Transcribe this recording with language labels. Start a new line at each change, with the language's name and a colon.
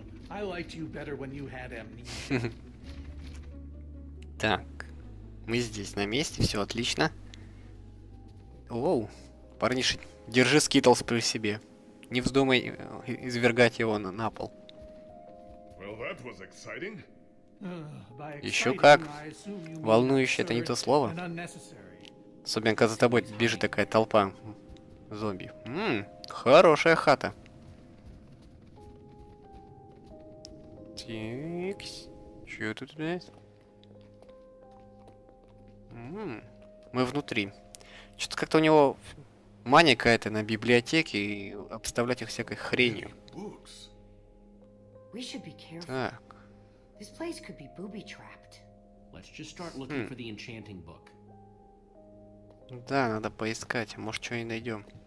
English: I liked you better when you had amnesia.
Russian: Так, мы здесь на месте, все отлично. Воу, парниша, держи Скитлс при себе. Не вздумай извергать его на пол.
English: Well, that was exciting.
Russian: Еще как. Волнующе, это не то слово. Особенно, когда за тобой бежит такая толпа зомби. Хорошая хата. Тикс. Чё тут у нас? Мы внутри. Чё-то как-то у него мания какая-то на библиотеке и обставлять их всякой хренью.
English: We should be careful.
Russian: Так.
English: This place could be booby-trapped. Let's just start looking for the enchanting book.
Russian: Да, надо поискать, может, что-нибудь найдем.